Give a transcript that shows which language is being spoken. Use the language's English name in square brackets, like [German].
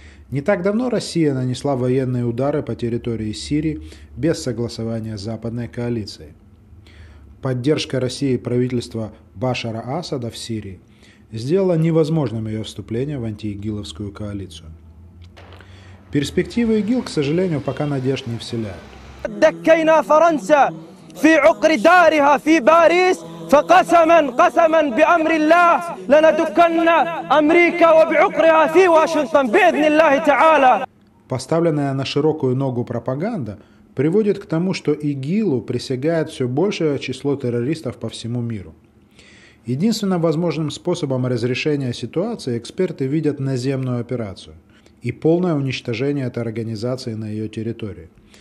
[Russian] Не так давно Россия нанесла военные удары по территории Сирии без согласования с Западной коалицией. Поддержка России правительства Башара Асада в Сирии сделала невозможным ее вступление в антиигиловскую коалицию. Перспективы ИГИЛ, к сожалению, пока надежд не вселяют. [Arabic] في عقر دارها في باريس فقسما قسما بأمر الله لندكن أمريكا وبعقرها في واشنطن بإذن الله تعالى. [Russian] Поставленная на широкую ногу пропаганда приводит к тому, что ИГИЛу присягает все большее число террористов по всему миру. Единственным возможным способом разрешения ситуации эксперты видят наземную операцию и полное уничтожение этой организации на ее территории.